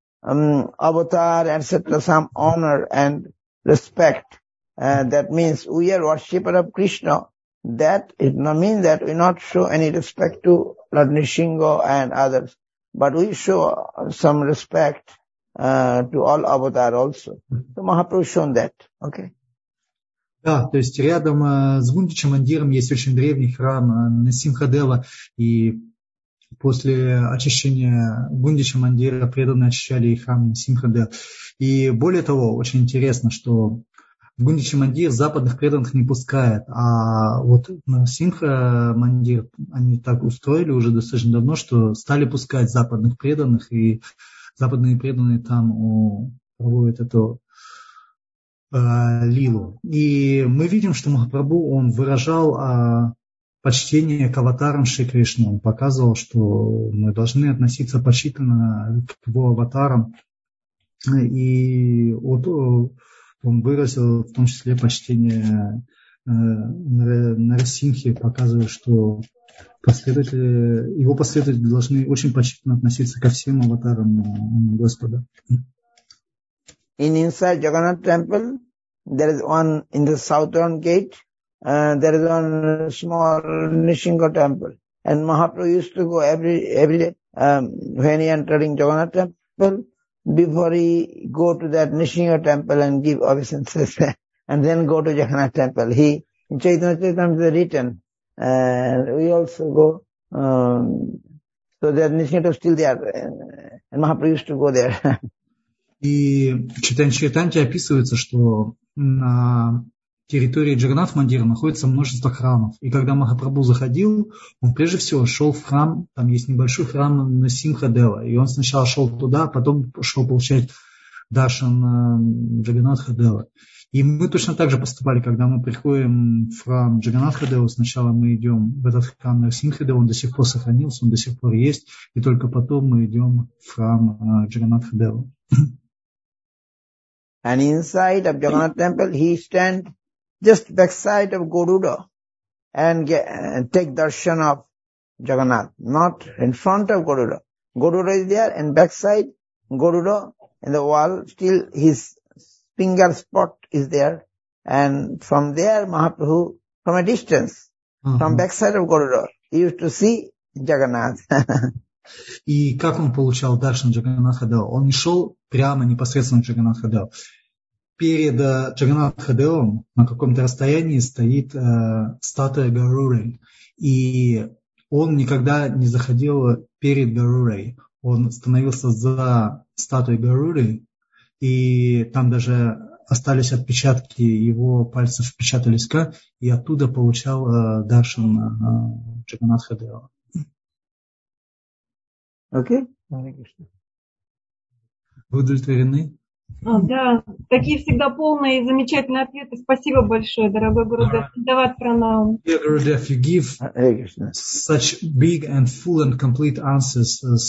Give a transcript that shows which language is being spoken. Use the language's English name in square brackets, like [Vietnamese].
[English] Avatar, etc., some honor and respect. That means we are worshipper of Krishna. That it not mean that we not show any respect to Lord Nrisimha and others, but we show some respect to all avatar also. So Mahaprabhu shown that. Okay. [Russian] Да, то есть рядом с Гундичем Мандиром есть очень древний храм Нрисимха Дева и после очищения Гундича Мандира преданные очищали и храм Нрисимха Дева. И более того, очень интересно, что в Гунди-Чимандир западных преданных не пускает, а вот на Синха-Мандир они так устроили уже достаточно давно, что стали пускать западных преданных, и западные преданные там проводят эту лилу. И мы видим, что Махапрабху, он выражал почтение к аватарам Шри Кришны, он показывал, что мы должны относиться почтительно к его аватарам, и вот он выразил в том числе почтение Нарасимхе, показывая, что последователи, его последователи должны очень почтительно относиться ко всем аватарам Господа. [English] In inside Jagannath temple, there is one in the southern gate, there is one small Nishinga temple. And Mahaprabhu used to go every day when he entering Jagannath temple, before he go to that Nishinga temple and give obeisances and then go to Jagannath temple. He, in Chaitanya Charitamrita has written, we also go, so that Nishinga temple is still there, and Mahaprabhu used to go there. [Russian] И Чайтанья-Чайтанья описывается, что на территории Джагнат-Мандира находится множество храмов. И когда Махапрабху заходил, он прежде всего шел в храм, там есть небольшой храм на Симха-Дева. И он сначала шел туда, потом шел получать даршан на Джагнат-Дева. И мы точно так же поступали, когда мы приходим в храм Джагнат-Дева, сначала мы идем в этот храм на Симха-Дева, он до сих пор сохранился, он до сих пор есть. И только потом мы идем в храм Джагнат-Дева. [English] And inside of Jagannath temple, he stand just backside of Garuda and take darshan of Jagannath, not in front of Garuda. Garuda is there and backside Garuda in the wall, still his finger spot is there. And from there, Mahaprabhu, from a distance, from backside of Garuda, he used to see Jagannath. [Russian] И как он получал даршан Джаганнатха-дева? Он шел прямо непосредственно к Джаганнатха-деву. Перед Джаганнатха-девом на каком-то расстоянии стоит статуя Гарурей. И он никогда не заходил перед Гарурей. Он становился за статуей Гарурей, и там даже остались отпечатки, его пальцев впечатались, и оттуда получал даршан Джаганнатха-дева. Окей. Вы удовлетворены? Да, такие всегда полные и замечательные ответы. Спасибо большое, дорогой Гурудев. Давай пранам. [English] Yeah, Gurudev, you give such big and full and complete answers.